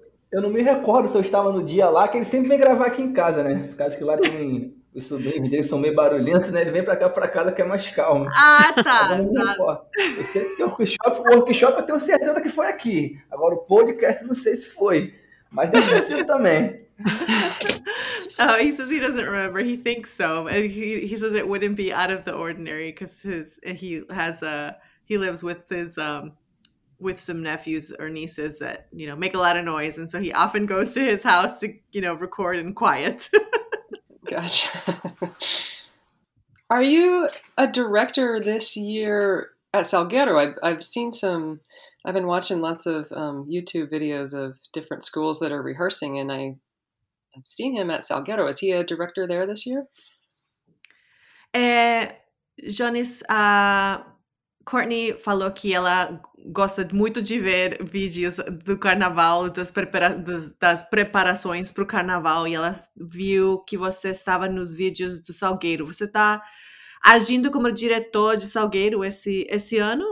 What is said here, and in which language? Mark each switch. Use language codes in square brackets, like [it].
[pt] Eu não me recordo se eu estava no dia lá, que ele sempre vem gravar aqui em casa, né, por causa que lá tem os sobrinhos dele, são meio barulhentos, né, ele vem para cá, para casa, que é mais calmo. Ah, tá. O workshop eu tenho certeza que foi aqui, agora o podcast não sei se foi, mas deve ser também. [en] Oh, he says he doesn't remember. He thinks so, and he says it wouldn't be out of the ordinary because he lives with his with some nephews or nieces that, you know, make a lot of noise, and so he often goes to his house to, you know, record in quiet. Gotcha. Are you a director this year at Salgueiro? I've seen some. I've been watching lots of YouTube videos of different schools that are rehearsing, and I've seen him at Salgueiro. Is he a director there this year? [pt] Jhones, Courtney falou que ela gosta muito de ver vídeos do carnaval, das preparações para o carnaval, e ela viu que você estava nos vídeos do Salgueiro. Você está agindo como diretor de Salgueiro esse ano?